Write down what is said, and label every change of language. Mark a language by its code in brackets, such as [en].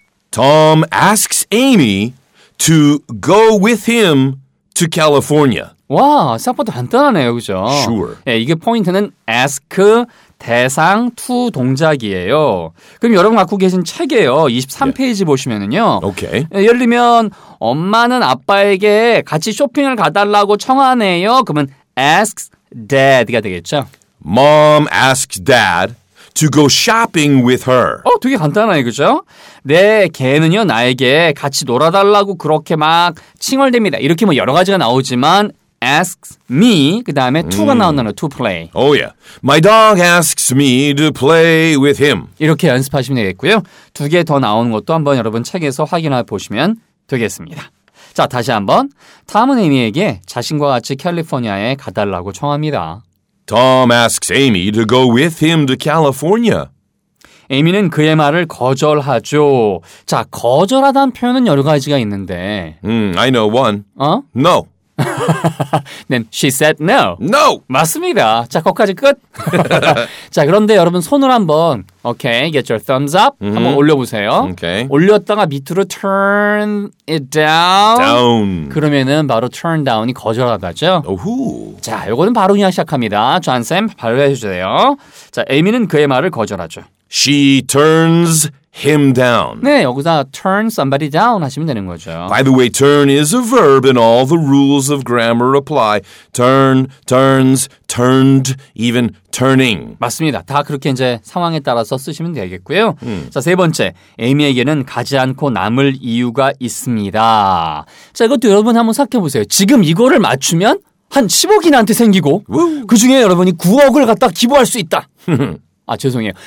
[en] Tom asks Amy to go with him to California. [ko] 와, 생각보다 간단하네요, 그죠? [en] Sure. [ko] 예, 이게 포인트는 ask, 대상, to 동작이에요. 그럼 여러분 갖고 계신 책이에요. 23페이지 yeah. 보시면은요. [en] Okay. 예, [ko] 열리면, 엄마는 아빠에게 같이 쇼핑을 가달라고 청하네요. 그러면 asks dad가 되겠죠? [en] Mom asks dad. To go shopping with her. [ko] 어, 되게 간단하네, 그죠? 네, 걔는요, 나에게 같이 놀아달라고 그렇게 막 칭얼댑니다. 이렇게 뭐 여러 가지가 나오지만 asks me, 그 다음에 to가 나온다는 to play. [en] Oh yeah. My dog asks me to play with him. [ko] 이렇게 연습하시면 되겠고요. 두 개 더 나오는 것도 한번 여러분 책에서 확인해 보시면 되겠습니다. 자, 다시 한번. 탐은 에미에게 자신과 같이 캘리포니아에 가달라고 청합니다. Tom asks Amy to go with him to California. 에미는 그의 말을 거절하죠. 자, 거절하다는 표현은 여러 가지가 있는데. [en] I know one. [ko] 어? [en] No. Then she said no. No. [ko] 맞습니다. 자, 거기까지 끝. 자, 그런데 여러분 손을 한번 [en] okay, get your thumbs up. Mm-hmm. [ko] 한번 올려보세요. [en] Okay. [ko] 올렸다가 밑으로 [en] turn it down. Down. [ko] 그러면은 바로 turn down이 거절하다죠. 오후. 자, 요거는 바로 그냥 시작합니다. 존 쌤, 발로 해주세요. 자, 에미는 그의 말을 거절하죠. [en] She turns him down. [ko] 네, 여기서 turn somebody down 하시면 되는 거죠. [en] By the way, turn is a verb and all the rules of grammar apply. Turn, turns, turned, even turning. [ko] 맞습니다. 다 그렇게 이제 상황에 따라서 쓰시면 되겠고요. 자, 세 번째. 에미에게는 가지 않고 남을 이유가 있습니다. 자, 이것도 여러분 한번 생각해 보세요. 지금 이거를 맞추면 한 10억인한테 생기고 그중에 여러분이 9억을 갖다 기부할 수 있다. 아, 죄송해요.